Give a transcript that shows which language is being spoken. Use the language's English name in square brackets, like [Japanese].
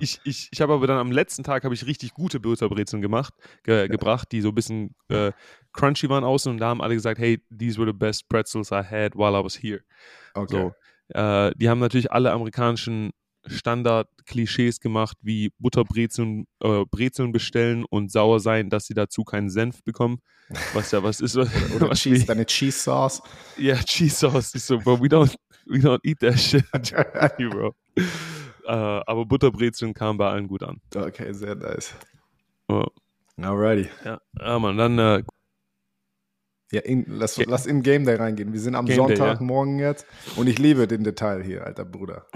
[German] Ich habe aber dann am letzten Tag habe ich richtig gute Butterbrezeln gebracht, die so ein bisschen crunchy waren außen und da haben alle gesagt, hey, [English] these were the best pretzels I had while I was here. [German] Okay. So, die haben natürlich alle amerikanischen Standard-Klischees gemacht, wie Butterbrezeln Brezeln bestellen und sauer sein, dass sie dazu keinen Senf bekommen. Was ja was ist. Oder was Cheese, deine Cheese Sauce. Ja, yeah, Cheese Sauce. Ich so, [English] bro, we don't eat that shit. You, bro. [German] Aber Butterbrezeln kamen bei allen gut an. Okay, sehr nice. Oh. Alrighty. Ja, man, dann. Lass in-game da reingehen. Wir sind am Sonntagmorgen jetzt. Und ich liebe den Detail hier, alter Bruder.